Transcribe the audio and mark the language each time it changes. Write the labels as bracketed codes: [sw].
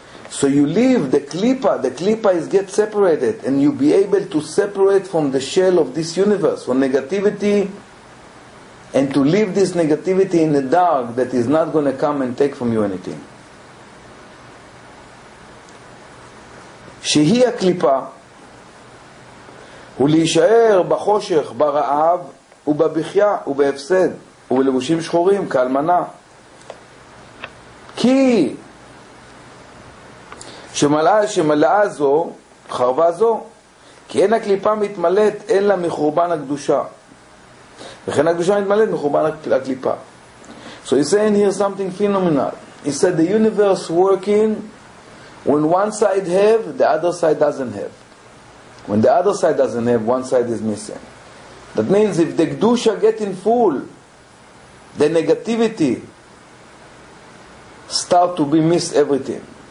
[en] So you leave the klipa is get separated, and you be able to separate from the shell of this universe, from negativity, and to leave this negativity in the dark that is not going to come and take from you anything. [he] שהיא הקליפה, ולהישאר בחושך, ברעב, ובבחיה, ובהפסד, ובלבושים שחורים, כאלמנה. כי שמלאה זו, חרבה זו, כי אין הקליפה מתמלאת, אלא מחורבן הקדושה. וכן הקדושה מתמלאת מחורבן הקליפה. [en] So he's saying here something phenomenal. He said the universe working when one side have, the other side doesn't have. When the other side doesn't have, one side is missing. That means if the Kedusha getting full, the negativity start to be missed everything.